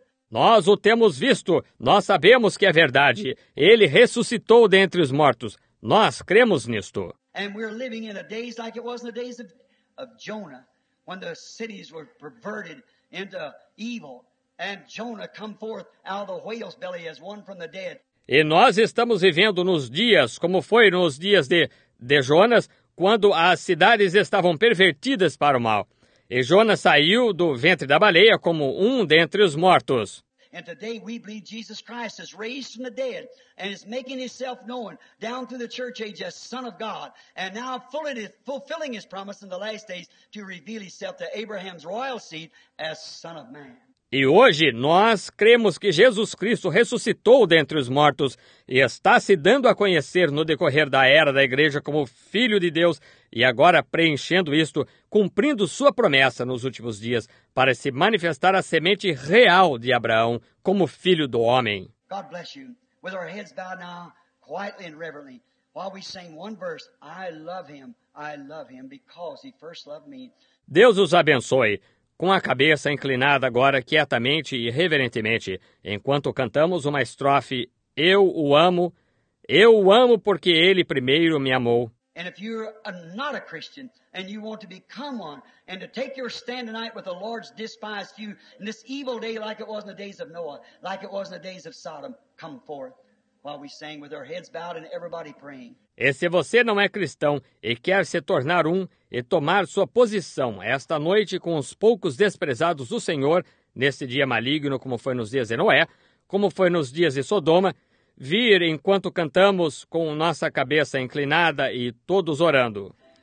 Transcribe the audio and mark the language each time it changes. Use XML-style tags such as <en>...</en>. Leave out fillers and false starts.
<pt>Nós o temos visto, nós sabemos que é verdade. Ele ressuscitou dentre os mortos. Nós cremos nisto. E estamos vivendo em dias como foi nos dias de Jonah, quando as cidades foram pervertidas para o mal.</pt> <en>And Jonah come forth out of the whale's belly as one from the dead.</en> <pt>E nós estamos vivendo nos dias, como foi nos dias de Jonas, quando as cidades estavam pervertidas para o mal. E Jonas saiu do ventre da baleia como um dentre os mortos.</pt> <en>And today we believe Jesus Christ is raised from the dead and is making himself known down through the church age as Son of God. And now fulfilling his promise in the last days to reveal himself to Abraham's royal seed as Son of Man.</en> <pt>E hoje nós cremos que Jesus Cristo ressuscitou dentre os mortos e está se dando a conhecer no decorrer da era da igreja como Filho de Deus e agora preenchendo isto, cumprindo sua promessa nos últimos dias para se manifestar a semente real de Abraão como Filho do Homem.</pt> <en>God bless you. With our heads bowed now, quietly and reverently, while we sing one verse, I love him because he first loved me.</en> <pt>Deus os abençoe. Com a cabeça inclinada agora, quietamente e reverentemente, enquanto cantamos uma estrofe, eu o amo porque ele primeiro me amou.</pt> <en>And if you're not a Christian and you want to become one and to take your stand tonight with the Lord's despised few in this evil day like it was in the days of Noah, like it was in the days of Sodom, come forth while we sing with our heads bowed and everybody praying.</en> <pt>E se você não é cristão e quer se tornar um e tomar sua posição esta noite com os poucos desprezados do Senhor, neste dia maligno como foi nos dias de Noé, como foi nos dias de Sodoma, vir enquanto cantamos com nossa cabeça inclinada e todos orando.</pt>